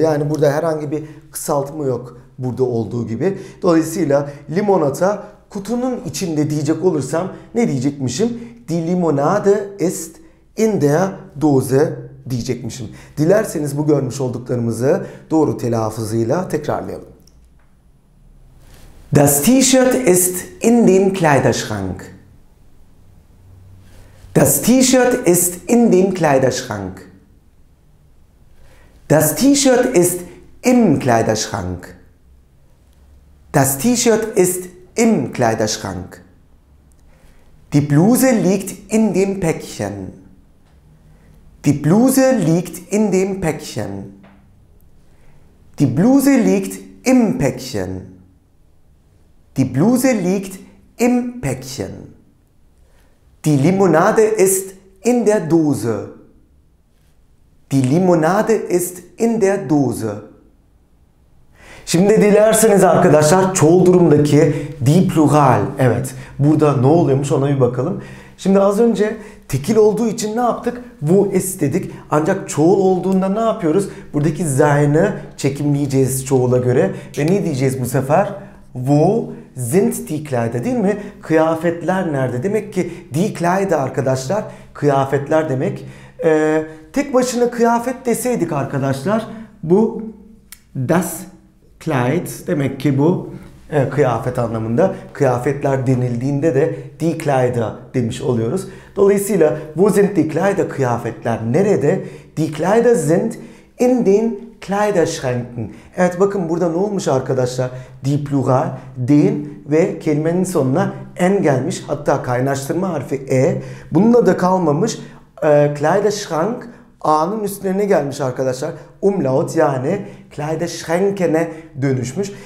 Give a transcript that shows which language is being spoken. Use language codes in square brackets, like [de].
[tr] Yani burada herhangi bir kısaltma yok burada olduğu gibi. Dolayısıyla limonata kutunun içinde diyecek olursam ne diyecekmişim? [de] Die Limonade ist in der Dose [tr] diyecekmişim. Dilerseniz bu görmüş olduklarımızı doğru telaffuzuyla tekrarlayalım. [de] Das T-shirt ist in dem Kleiderschrank. Das T-shirt ist in dem Kleiderschrank. Das T-shirt ist im Kleiderschrank. Das T-shirt ist im Kleiderschrank. Die Bluse liegt in dem Päckchen. Die Bluse liegt in dem Päckchen. Die Bluse liegt im Päckchen. Die Bluse liegt im Päckchen. Die Limonade ist in der Dose. Die Limonade ist in der Dose. [tr] Şimdi dilerseniz arkadaşlar çoğul durumdaki die plural. Evet. Burada ne oluyormuş ona bir bakalım. Şimdi az önce tekil olduğu için ne yaptık? [de] Wo ist [tr] dedik. Ancak çoğul olduğunda ne yapıyoruz? Buradaki sein'ı çekimleyeceğiz çoğula göre. Ve ne diyeceğiz bu sefer? [de] Wo sind die Kleider, [tr] değil mi? Kıyafetler nerede? Demek ki die Kleider arkadaşlar kıyafetler demek. Tek başına kıyafet deseydik arkadaşlar bu das Kleid demek ki bu kıyafet anlamında. Kıyafetler denildiğinde de die Kleider demiş oluyoruz. Dolayısıyla [de] wo sind die Kleider [tr] kıyafetler nerede? [de] Die Kleider sind in den Kleiderschränken. [tr] Evet bakın burada ne olmuş arkadaşlar? Die Plural, den ve kelimenin sonuna en gelmiş. Hatta kaynaştırma harfi e. Bununla da kalmamış. Kleiderschrank A'nın üstüne ne gelmiş arkadaşlar? Umlaut yani Kleiderschränken'e dönüşmüş.